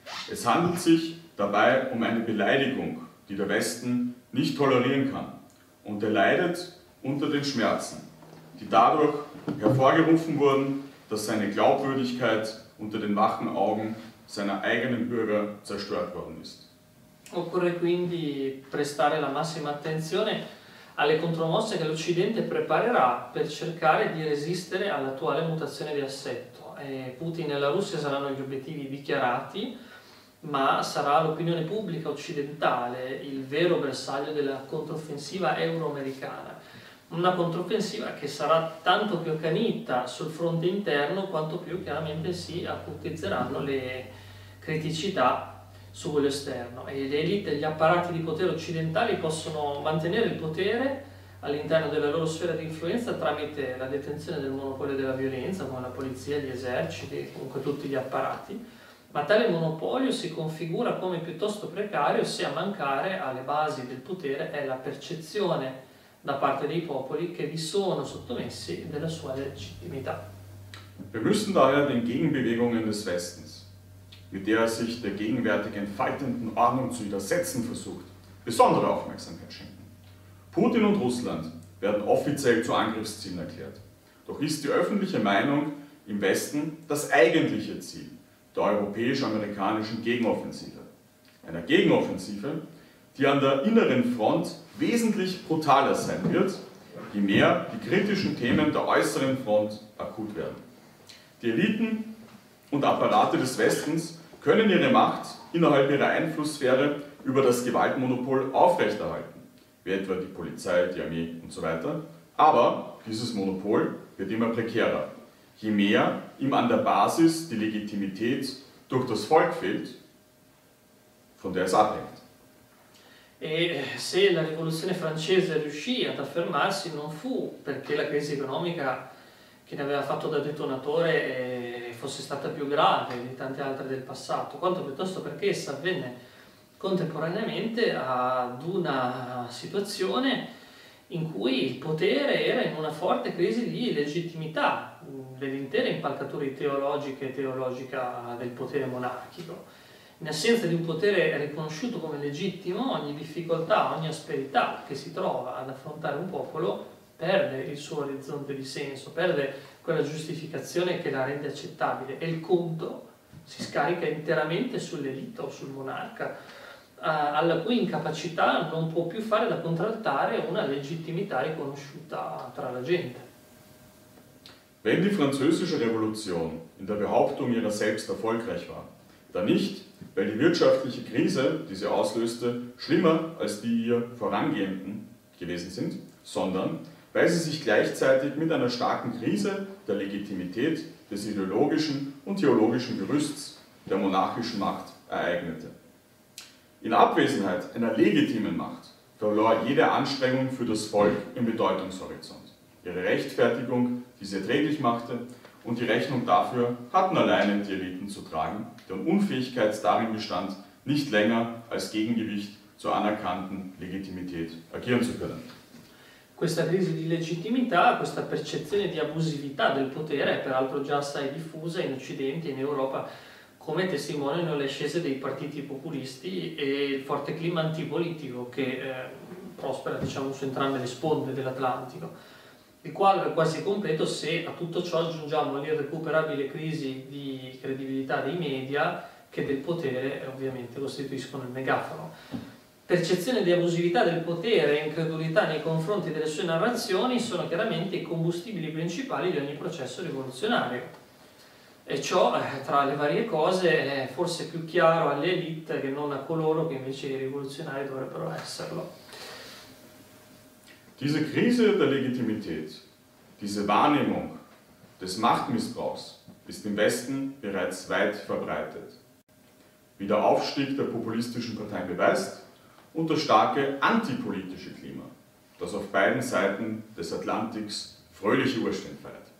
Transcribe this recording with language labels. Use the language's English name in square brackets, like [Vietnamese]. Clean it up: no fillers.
[German] Es handelt sich dabei um eine Beleidigung, die der Westen nicht tolerieren kann. Und er leidet unter den Schmerzen, die dadurch hervorgerufen wurden, dass seine Glaubwürdigkeit unter den wachen Augen seiner eigenen Bürger zerstört worden ist. [Italian] Occorre quindi prestare la massima attenzione alle contromosse che l'Occidente preparerà per cercare di resistere all'attuale mutazione di assetto. Putin e la Russia saranno gli obiettivi dichiarati, ma sarà l'opinione pubblica occidentale il vero bersaglio della controffensiva euroamericana. Una controffensiva che sarà tanto più accanita sul fronte interno quanto più chiaramente si acutizzeranno le criticità su quello esterno. E le élite, gli apparati di potere occidentali possono mantenere il potere all'interno della loro sfera di influenza tramite la detenzione del monopolio della violenza, come la polizia, gli eserciti, comunque tutti gli apparati. Ma tale monopolio si configura come piuttosto precario se a mancare alle basi del potere è la percezione da parte dei popoli che vi sono sottomessi della sua legittimità. [German] Wir müssen daher den Gegenbewegungen des Westens, mit der sich der gegenwärtigen faltenden Ordnung zu widersetzen versucht, besondere Aufmerksamkeit schenken. Putin und Russland werden offiziell zu Angriffszielen erklärt. Doch ist die öffentliche Meinung im Westen das eigentliche Ziel der europäisch-amerikanischen Gegenoffensive. Einer Gegenoffensive, die an der inneren Front wesentlich brutaler sein wird, je mehr die kritischen Themen der äußeren Front akut werden. Die Eliten und Apparate des Westens können ihre Macht innerhalb ihrer Einflusssphäre über das Gewaltmonopol aufrechterhalten, wie etwa die Polizei, die Armee und so weiter. Aber dieses Monopol wird immer prekärer. Je mehr ihm an der Basis die Legitimität durch das Volk fehlt, von der es abhängt. [Italian] E se la rivoluzione francese riuscì ad affermarsi, non fu perché la crisi economica che ne aveva fatto da detonatore fosse stata più grave di tante altre del passato, quanto piuttosto perché essa avvenne contemporaneamente ad una situazione in cui il potere era in una forte crisi di legittimità dell'intera impalcatura ideologica e teologica del potere monarchico. In assenza di un potere riconosciuto come legittimo, ogni difficoltà, ogni asperità che si trova ad affrontare un popolo perde il suo orizzonte di senso, perde quella giustificazione che la rende accettabile e il conto si scarica interamente sull'elita o sul monarca, alla cui incapacità non può più fare da contraltare una legittimità riconosciuta tra la gente. [German] Wenn die französische Revolution in der Behauptung ihrer selbst erfolgreich war, dann nicht, weil die wirtschaftliche Krise, die sie auslöste, schlimmer als die ihr vorangehenden gewesen sind, sondern weil sie sich gleichzeitig mit einer starken Krise der Legitimität des ideologischen und theologischen Gerüsts der monarchischen Macht ereignete. In Abwesenheit einer legitimen Macht verlor jede Anstrengung für das Volk im Bedeutungshorizont. Ihre Rechtfertigung, die sie erträglich machte, und die Rechnung dafür hatten alleine die Eliten zu tragen, deren Unfähigkeit darin bestand, nicht länger als Gegengewicht zur anerkannten Legitimität agieren zu können. [Italian] Questa crisi di legittimità, questa percezione di abusività del potere è peraltro già assai diffusa in Occidente e in Europa, come testimoniano le ascese dei partiti populisti e il forte clima antipolitico che prospera, diciamo, su entrambe le sponde dell'Atlantico. Il quadro è quasi completo se a tutto ciò aggiungiamo l'irrecuperabile crisi di credibilità dei media che del potere ovviamente costituiscono il megafono. Percezione di abusività del potere e incredulità nei confronti delle sue narrazioni sono chiaramente i combustibili principali di ogni processo rivoluzionario. E ciò, tra le varie cose, è forse più chiaro alle élite che non a coloro che invece i rivoluzionari dovrebbero esserlo. [German] Diese Krise der Legitimität, diese Wahrnehmung des Machtmissbrauchs ist im Westen bereits weit verbreitet. Wie der Aufstieg der populistischen Parteien beweist und das starke antipolitische Klima, das auf beiden Seiten des Atlantiks fröhliche Urstände feiert.